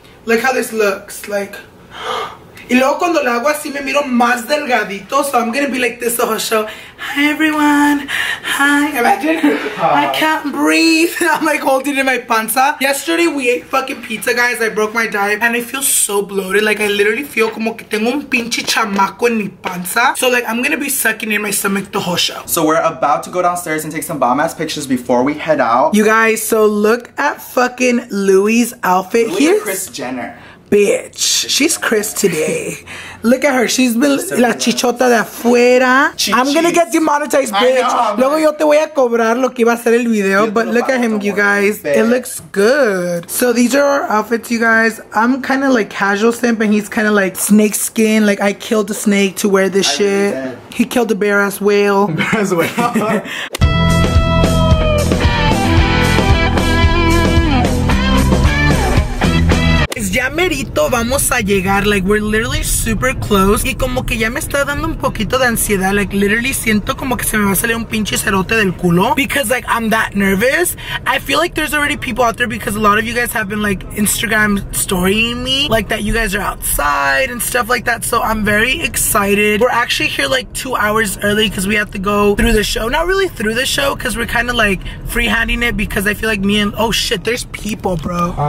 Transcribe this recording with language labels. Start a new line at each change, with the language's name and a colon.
English: Look how this looks, like. Y luego cuando lo hago así me miro más delgadito, so I'm gonna be like this the whole show. Hi everyone, hi. Imagine, I can't breathe. I'm like holding in my panza. Yesterday we ate fucking pizza, guys. I broke my diet and I feel so bloated. Like I literally feel como que tengo un pinche chamaco en mi panza. So like I'm gonna be sucking in my stomach the whole show. So we're about to go downstairs and take some bomb ass pictures before we head out. You guys, so look at fucking Louie's outfit. Louis and Kris Jenner. Bitch, she's Chris today. Look at her, she's been la chichota de afuera.
Spanish: I'm gonna get demonetized, bitch. Luego yo te voy a cobrar lo que iba a hacer el video, but look at him, you guys.
English: It looks good. So these are our outfits, you guys. I'm kind of like casual simp, and he's kind of like snake skin. Like, I killed a snake to wear this shit. He killed a bear-ass whale. Bear-ass whale.
Spanish: Ya merito vamos a llegar, like we're literally super close. Y como que ya me está dando un poquito de ansiedad. Like literally siento como que se me va a salir un pinche cerote del culo.
English: Because like I'm that nervous. I feel like there's already people out there because a lot of you guys have been like Instagram storying me. Like that you guys are outside and stuff like that. So I'm very excited. We're actually here like 2 hours early because we have to go through the show. Not really through the show because we're kind of like freehanding it because I feel like me and, oh shit, there's people, bro.